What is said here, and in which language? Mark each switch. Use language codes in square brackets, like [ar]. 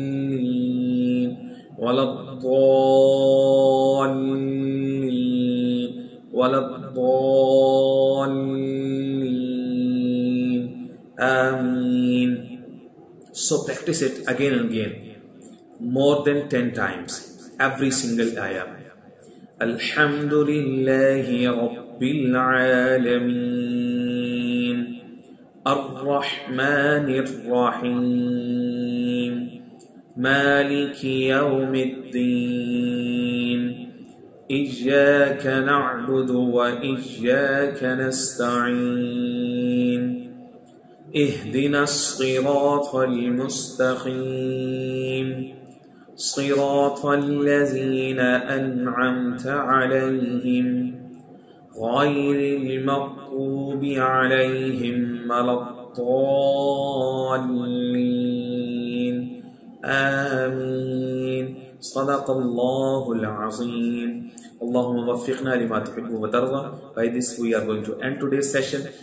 [ar] ضالين ولا الضالين ولا الضالين. آمين. [en] So practice it again and again more than 10 times every single ayah. [ar] الحمد لله رب العالمين الرحمن الرحيم مالك يوم الدين إياك نعبد وإياك نستعين اهدنا الصراط المستقيم صراط الذين أنعمت عليهم غير المغضوب عليهم ولا الضالين. آمين. صدق الله العظيم. اللهم وفقنا لما تحب وترضى. [en] By this we are going to end today's session.